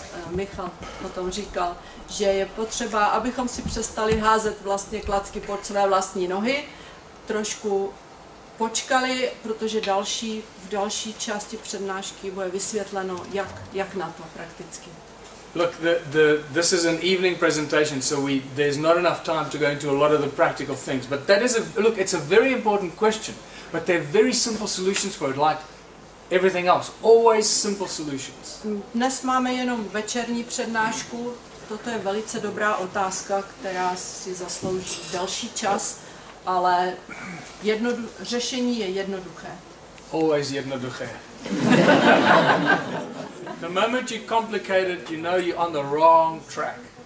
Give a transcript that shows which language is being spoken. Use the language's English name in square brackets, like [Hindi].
[Czech] Michal potom říkal, že je potřeba, abychom si přestali házet vlastně klacky pod své vlastní nohy, trošku počkali, protože v další části přednášky bude vysvětleno, jak na to prakticky. [English] Look, this is an evening presentation, so there's not enough time to go into a lot of the practical things, but that is it's a very important question, but there are very simple solutions for it, like everything else, always simple solutions. [Czech] Dnes máme jenom večerní přednášku. Toto je velice dobrá otázka, která si zaslouží další čas, ale řešení je jednoduché. [English] Always [Czech] jednoduché. [English] The moment you complicate it, you know you're on the wrong track.